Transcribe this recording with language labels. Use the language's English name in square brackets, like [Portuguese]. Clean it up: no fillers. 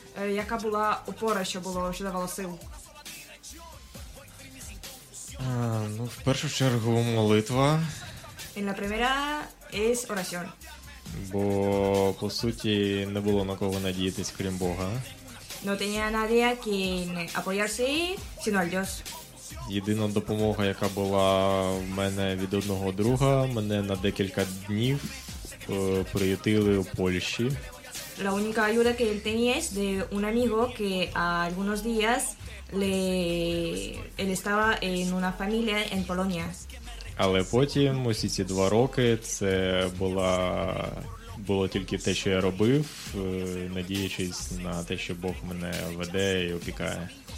[Ukrainian] Яка була опора, що було, що давало сил? Ну, в першу чергу молитва. [Spanish] І на примера ес орасьон. [Ukrainian] Бо по суті не було на кого надіятись, крім Бога. [Spanish] Но tenía nadie a quien apoyarse, sino a Dios. [Ukrainian] Єдина допомога, яка була в мене від одного друга, мене на декілька днів приютили у Польщі. [Spanish] La única ayuda que él tenía es de un amigo que a algunos días él estaba en una familia en Polonia. [Ukrainian] Але потім усі ці два роки це було тільки те, що я робив, надіючись на те, що Бог мене веде і опікає.